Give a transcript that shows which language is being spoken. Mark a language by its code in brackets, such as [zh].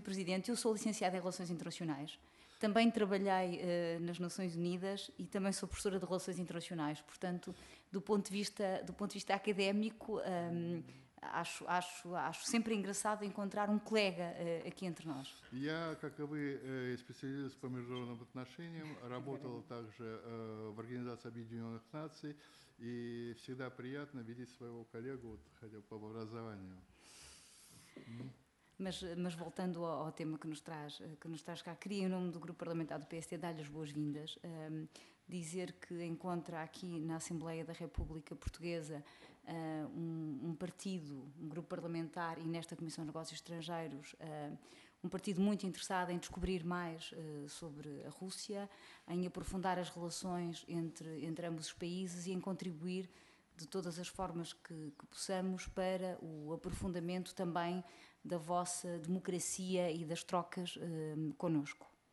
[pt] Presidente, eu sou licenciada em Relações Internacionais, também trabalhei nas Nações Unidas e também sou professora de Relações Internacionais. Portanto, do ponto de vista académico, Acho sempre engraçado encontrar um colega aqui entre nós. [ru] Я, как и вы, специалист по международным отношениям, работал также в Организации Объединенных Наций, и всегда приятно видеть своего коллегу вот, хотя бы по образованию. [pt] Mas voltando ao tema que nos traz cá, queria, em nome do Grupo Parlamentar do PSD, dar-lhe as boas-vindas, dizer que encontra aqui na Assembleia da República Portuguesa um partido, um grupo parlamentar e nesta Comissão de Negócios Estrangeiros, um partido muito interessado em descobrir mais sobre a Rússia, em aprofundar as relações entre ambos os países e em contribuir de todas as formas que possamos para o aprofundamento também da vossa democracia e das trocas connosco.